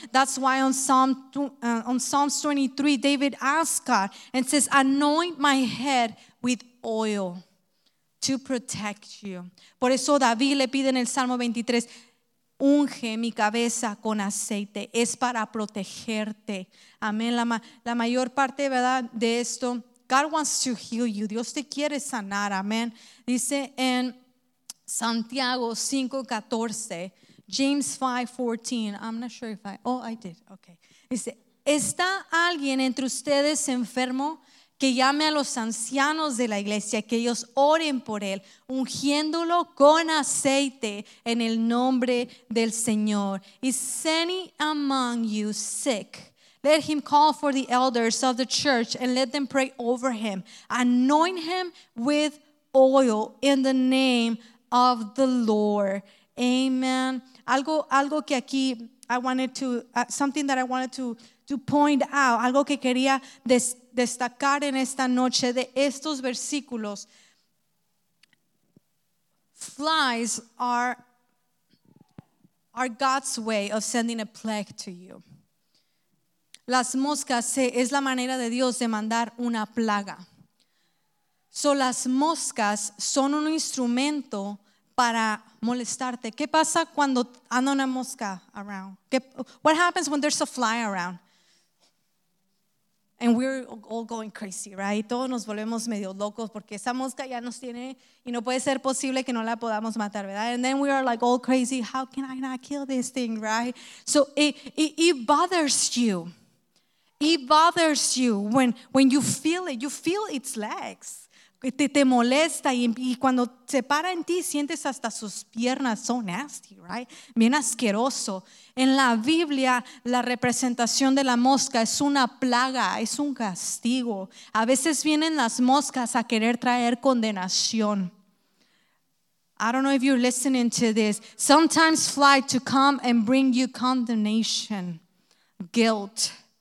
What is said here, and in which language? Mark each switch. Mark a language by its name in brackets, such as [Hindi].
[English] That's why on Psalms 23, David asks God and says, anoint my head with oil to protect you. [Spanish] Por eso David le pide en el Salmo 23, unge mi cabeza con aceite, es para protegerte. Amén. La mayor parte, ¿verdad?, de esto, [English] God wants to heal you. [Spanish] Dios te quiere sanar. Amén. Dice en Santiago 5:14, [English] James 5:14. I'm not sure if I. Oh, I did. Okay. [Spanish] Dice: ¿Está alguien entre ustedes enfermo? Que llame a los ancianos de la iglesia, que ellos oren por él, ungiéndolo con aceite en el nombre del Señor. [English] Is any among you sick? Let him call for the elders of the church and let them pray over him. Anoint him with oil in the name of the Lord. [Spanish] Amen. Algo que aquí [English] I wanted to, something that I wanted to point out, [Spanish] algo que quería destacar en esta noche de estos versículos. [English] Flies are God's way of sending a plague to you. [Spanish] Las moscas es la manera de Dios de mandar una plaga. So las moscas son un instrumento para molestarte. ¿Qué pasa cuando anda una mosca [English] around? What happens when there's a fly around? And we're all going crazy, right? [Spanish] Todos nos volvemos medio locos porque esa mosca ya nos tiene y no puede ser posible que no la podamos matar, ¿verdad? [English] And then we are like all crazy. How can I not kill this thing, right? So it bothers you. It bothers you when you feel it. You feel its legs. [Spanish] Te molesta y cuando se para en ti sientes hasta sus piernas. [English] So nasty, right? [Spanish] Bien asqueroso. En la Biblia, la representación de la mosca es una plaga, es un castigo. A veces vienen las moscas a querer traer condenación. [English] I don't know if you're listening to this. Sometimes fly to come and bring you condemnation, guilt.